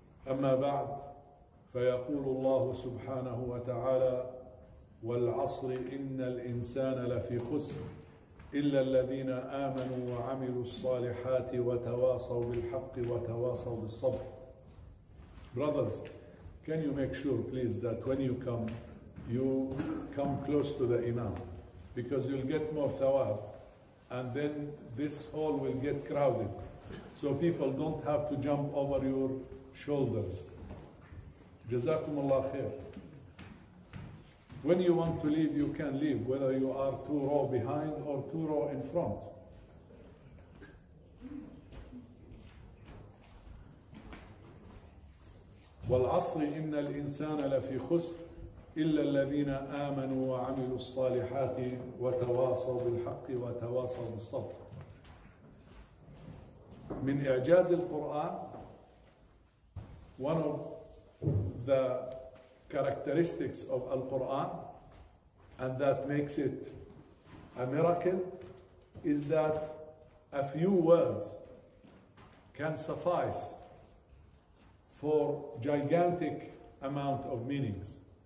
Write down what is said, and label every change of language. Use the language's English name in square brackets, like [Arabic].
[Arabic] أما بعد، فيقول الله سبحانه وتعالى: والعصر إن الإنسان لفي خسر إلا الذين آمنوا وعملوا الصالحات وتواصوا بالحق وتواصوا بالصبر. [English] Brothers, can you make sure please that when you come close to the Imam, because you'll get more thawab and then this hall will get crowded, so people don't have to jump over your shoulders. [Arabic] جزاكم الله خير. [English] When you want to leave, you can leave, whether you are two row behind or two row in front. [Arabic] والعصر إن الإنسان لفي خسر إلا الذين آمنوا وعملوا الصالحات وتواصوا بالحق وتواصوا بالصبر. من إعجاز القرآن, [English] one of the characteristics of Al-Quran and that makes it a miracle is that a few words can suffice for gigantic amount of meanings.